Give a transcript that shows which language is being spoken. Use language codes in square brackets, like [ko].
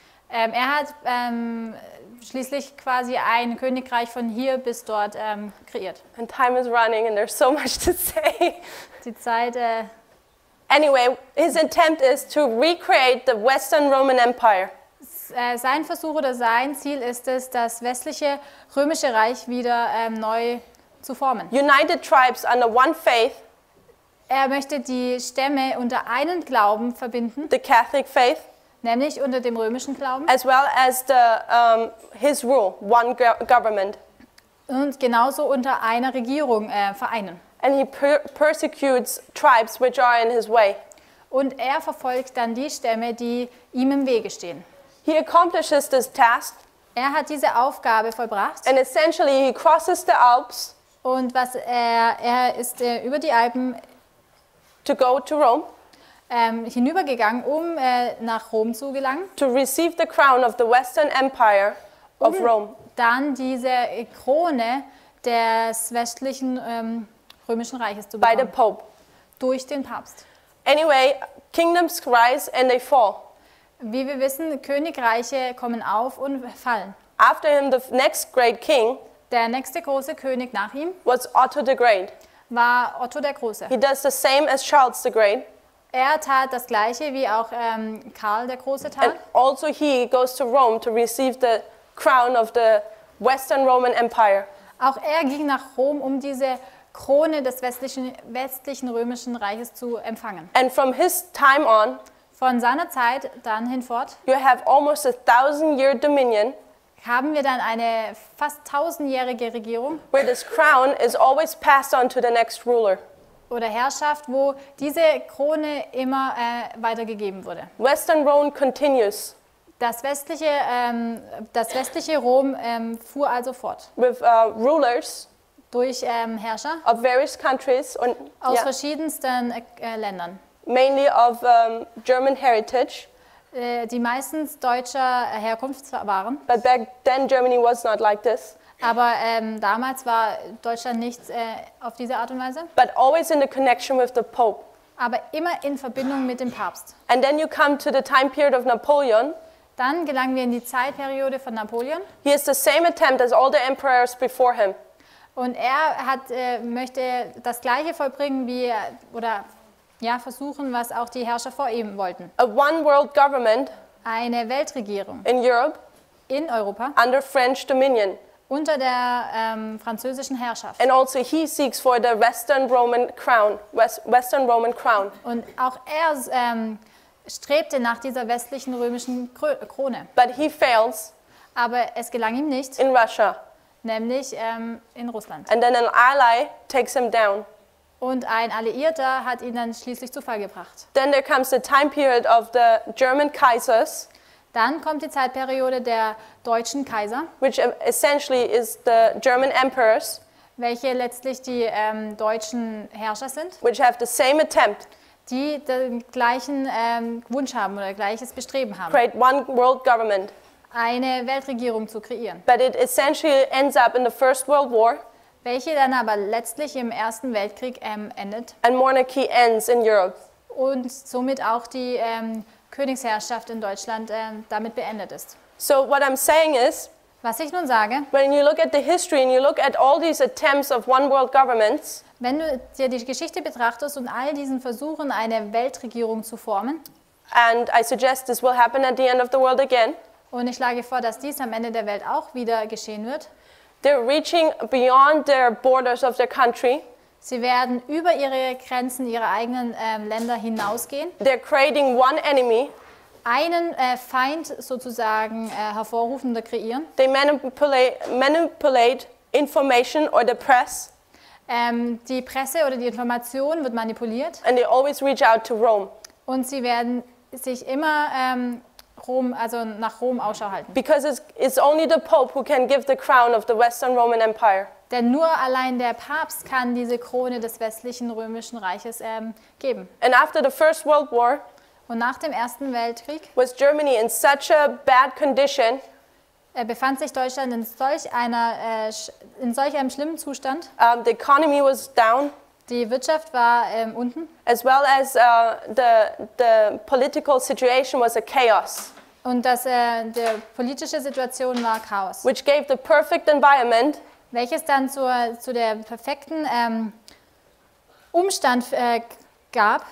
[de] Er hat schließlich quasi ein Königreich von hier bis dort kreiert. [en] And time is running and there's so much to say. [de] Die Zeit. [en] Anyway, his attempt is to recreate the Western Roman Empire. [de] Sein Versuch oder sein Ziel ist es, das westliche römische Reich wieder neu zu formen. [en] United tribes under one faith. [de] Er möchte die Stämme unter einen Glauben verbinden. [en] The Catholic faith. [de] Nämlich unter dem römischen Glauben. [en] As well as the his rule, one government. [de] Und genauso unter einer Regierung vereinen. [en] And he persecutes tribes which are in his way. [de] Und er verfolgt dann die Stämme, die ihm im Wege stehen. [en] He accomplishes this task. [de] Er hat diese Aufgabe vollbracht. [en] And essentially he crosses the Alps. [de] Und was er ist über die Alpen. [en] To go to Rome. [de] Hinübergegangen, um nach Rom zu gelangen. [en] To receive the crown of the Western Empire of Rome. [de] Dann diese Krone des westlichen römischen Reiches zu bekommen. [en] By the Pope. [de] Durch den Papst. [en] Anyway, kingdoms rise and they fall. [de] Wie wir wissen, Königreiche kommen auf und fallen. [en] After him, the next great king. [de] Der nächste große König nach ihm. [en] Was Otto the Great. [de] War Otto der Große. [en] He does the same as Charles the Great. [de] Er tat das Gleiche, wie auch Karl der Große tat. [en] And also he goes to Rome to receive the crown of the Western Roman Empire. [de] Auch er ging nach Rom, um diese Krone des westlichen römischen Reiches zu empfangen. [en] And from his time on, [de] von seiner Zeit dann hinfort, [en] you have almost a 1,000-year dominion, [de] haben wir dann eine fast 1,000-jährige Regierung, [en] where this crown is always passed on to the next ruler. [de] Oder Herrschaft, wo diese Krone immer weitergegeben wurde. [en] Western Rome continues. [de] Das westliche Rom fuhr also fort. [en] With rulers. [de] Durch Herrscher. [en] Of various countries und [de] aus verschiedensten Ländern. [en] Mainly of German heritage. [de] Die meistens deutscher Herkunft waren. [en] But back then Germany was not like this. [de] Aber damals war Deutschland nicht auf diese Art und Weise. [en] But always in the connection with the Pope. [de] Aber immer in Verbindung mit dem Papst. [en] And then you come to the time period of Napoleon. [de] Dann gelangen wir in die Zeitperiode von Napoleon. [en] He has the same attempt as all the emperors before him. [de] Und er hat möchte das gleiche vollbringen wie oder ja versuchen, was auch die Herrscher vor ihm wollten. [en] A one world government. [de] Eine Weltregierung. [en] In Europe. [de] In Europa. [en] Under French dominion. [de] Unter der französischen Herrschaft. [en] And also he seeks for the Western Roman crown. Western Roman crown. [de] Und auch er strebte nach dieser westlichen römischen Krone. [en] But he fails. [de] Aber es gelang ihm nicht. [en] In Russia. [de] Nämlich in Russland. [en] And then an ally takes him down. [de] Und ein Alliierter hat ihn dann schließlich zu Fall gebracht. [en] Then there comes the time period of the German Kaisers. [de] Dann kommt die Zeitperiode der deutschen Kaiser. [en] Which essentially is the German emperors. [de] Welche letztlich die deutschen Herrscher sind. [en] Which have the same attempt. [de] Die den gleichen Wunsch haben oder gleiches Bestreben haben. [en] Create one world government. [de] Eine Weltregierung zu kreieren. [en] But it essentially ends up in the First World War. [de] Welche dann aber letztlich im Ersten Weltkrieg endet. [en] And monarchy ends in Europe. [de] Und somit auch die Königsherrschaft in Deutschland damit beendet ist. [en] So what I'm saying is, [de] was ich nun sage, [en] when you look at the history and you look at all these attempts of one world governments, [de] wenn du dir die Geschichte betrachtest und all diesen Versuchen, eine Weltregierung zu formen, [en] and I suggest this will happen at the end of the world again, [de] und ich schlage vor, dass dies am Ende der Welt auch wieder geschehen wird, [en] they're reaching beyond their borders of their country. [de] Sie werden über ihre Grenzen, ihre eigenen Länder hinausgehen. [en] They're creating one enemy. [de] Einen Feind sozusagen hervorrufen oder kreieren. [en] They manipulate information or the press. [de] Die Presse oder die Information wird manipuliert. [en] And they always reach out to Rome. [de] Und sie werden sich immer Rom, also nach Rom Ausschau halten. [en] Because it's only the Pope who can give the crown of the Western Roman Empire. [de] Denn nur allein der Papst kann diese Krone des westlichen Römischen Reiches geben. [en] And after the First World War, [de] und nach dem Ersten Weltkrieg, [en] was Germany in such a bad condition, [de] befand sich Deutschland in solch einem schlimmen Zustand. [en] The economy was down. [de] Die Wirtschaft war unten. [en] As well as the political situation was a chaos. [de] Und dass die politische Situation war Chaos. [en] Which gave the perfect environment. [de] Welches dann zu der perfekten Umstand gab.